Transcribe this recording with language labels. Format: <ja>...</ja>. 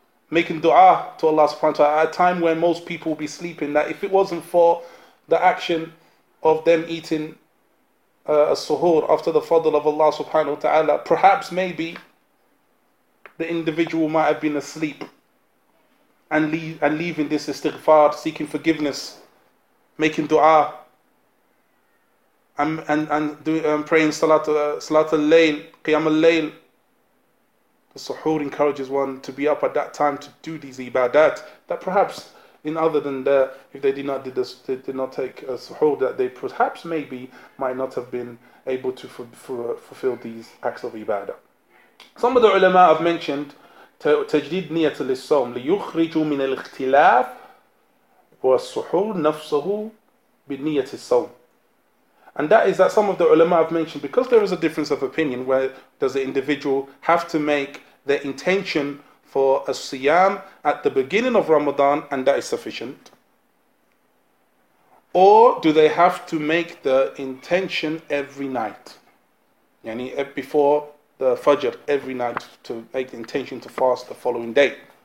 <en>making dua to Allah subhanahu wa ta'ala at a time where most people will be sleeping, that if it wasn't for the action of them eating a suhoor after the fadl of Allah subhanahu wa ta'ala, perhaps maybe the individual might have been asleep and leaving this istighfar, seeking forgiveness, making dua, and praying salat al-layl, qiyam al-layl. The suhoor encourages one to be up at that time to do these ibadat, that perhaps in other than that, if they did not did this, they did not take a suhoor, that they perhaps maybe might not have been able to fulfill these acts of ibadah. Some of the ulama have mentioned</en> <ar>تجديد نية للصوم ليخرج من الاختلاف والسحور نفسه بنية الصوم.</ar> <en>And that is that some of the ulama have mentioned, because there is a difference of opinion, where does the individual have to make their intention for a siyam at the beginning of Ramadan, and that is sufficient, or do they have to make the intention every night, yani before the fajr, every night, to make the intention to fast the following day?</en>